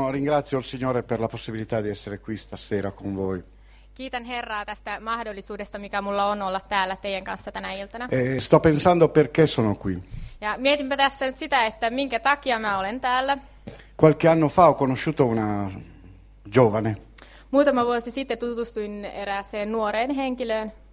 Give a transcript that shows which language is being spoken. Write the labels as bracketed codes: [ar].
[it] ringrazio il Signore per la possibilità di essere qui stasera con voi. [fi] Kiitän Herraa tästä mahdollisuudesta, mikä mulla on olla täällä teidän kanssa tänä iltana. [it] Sto pensando perché sono qui. [fi] Ja mietinpä tässä nyt sitä, että minkä takia mä olen täällä. [it] Qualche anno fa ho conosciuto una giovane. [fi] Muutama vuosi sitten tutustuin erääseen nuoreen henkilöön.